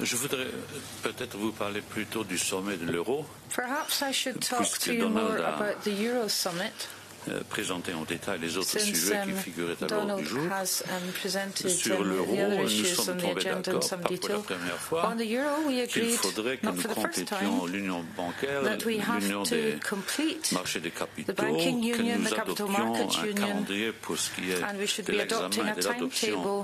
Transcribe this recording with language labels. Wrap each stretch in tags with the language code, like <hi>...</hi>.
<fr>Je voudrais peut-être vous parler plutôt du sommet de l'euro.</fr> <en>Perhaps I should talk to you more about the Euro Summit.</en> <fr>Présenter en détail les autres sujets qui figuraient à l'ordre du jour. Has, sur l'euro, nous sommes tombés d'accord pour la première fois qu'il faudrait que nous complétions l'union bancaire, l'union des marchés des capitaux, que nous adoptions un calendrier pour ce qui est de l'examen et de l'adoption</fr>